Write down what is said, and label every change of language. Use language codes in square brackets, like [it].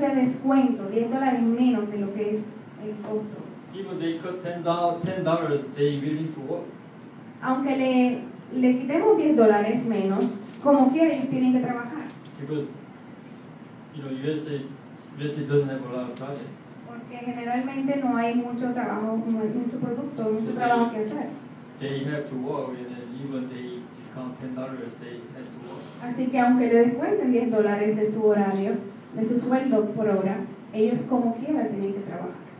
[es] de descuento, $10 menos de lo que es el costo. [en] Even they cut $10, they willing to work. [es] Aunque le quitemos $10 menos, como quieren, tienen que trabajar. [en] Because, you know, USA doesn't have a lot of talent. [es] Porque generalmente no hay mucho trabajo, no hay mucho producto, mucho [en] so [es] trabajo [en] they, [es] que hacer. [en] They have to work, and then even they discount $10, they have to work. [es] Así que aunque le descuenten $10 de su horario, de su sueldo por hora, ellos como quiera tienen que trabajar.